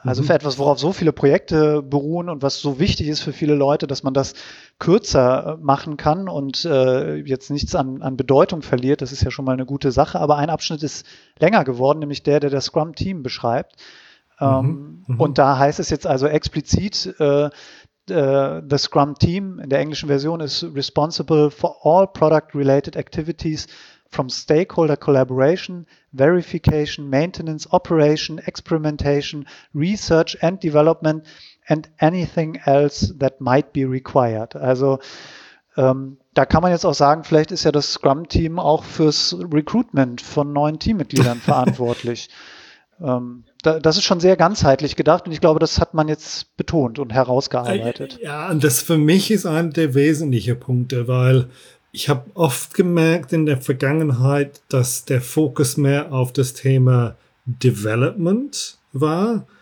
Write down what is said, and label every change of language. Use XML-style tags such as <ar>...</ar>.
<de>Also für etwas, worauf so viele Projekte beruhen und was so wichtig ist für viele Leute, dass man das kürzer machen kann und jetzt nichts an Bedeutung verliert. Das ist ja schon mal eine gute Sache. Aber ein Abschnitt ist länger geworden, nämlich der das Scrum-Team beschreibt. Und da heißt es jetzt also explizit,</de> <en>the Scrum Team</en> <de>in der englischen Version ist</de> <en>responsible for all product-related activities from stakeholder collaboration, verification, maintenance, operation, experimentation, research and development and anything else that might be required.</en> <de>Also da kann man jetzt auch sagen, vielleicht ist ja das Scrum-Team auch fürs Recruitment von neuen Teammitgliedern verantwortlich. Das ist schon sehr ganzheitlich gedacht und ich glaube, das hat man jetzt betont und herausgearbeitet. Ja, und das für mich ist einer der wesentlichen Punkte, weil ich habe oft gemerkt in der Vergangenheit, dass der Fokus mehr auf das Thema Development war.</de>